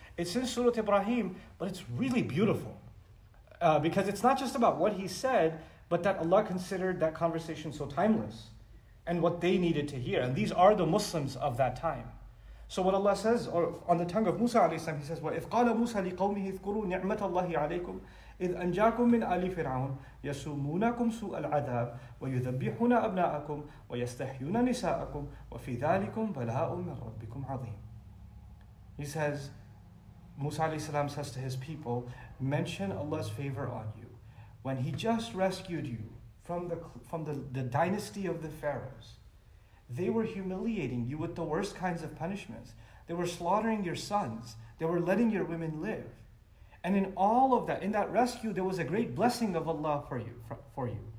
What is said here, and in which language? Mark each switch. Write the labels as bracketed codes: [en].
[en] It's in Surah Ibrahim, but it's really beautiful. Because it's not just about what he said, but that Allah considered that conversation so timeless and what they needed to hear. And these are the Muslims of that time. So what Allah says, or on the tongue of Musa alayhi salam, he says, وَإِذْ قَالَ مُوسَى لِقَوْمِهِ اذْكُرُوا نِعْمَةَ اللَّهِ عَلَيْكُمْ [ar] إذ أنجاكم من آل فرعون يسومونكم سوء العذاب ويذبحون أبناءكم ويستحيون نساءكم وفي ذلكم بلاء من ربكم عظيم. [en] He says, Musa alayhi salam says to his people, mention Allah's favor on you. When he just rescued you from the dynasty of the pharaohs, they were humiliating you with the worst kinds of punishments. They were slaughtering your sons. They were letting your women live. And in all of that, in that rescue, there was a great blessing of Allah for you.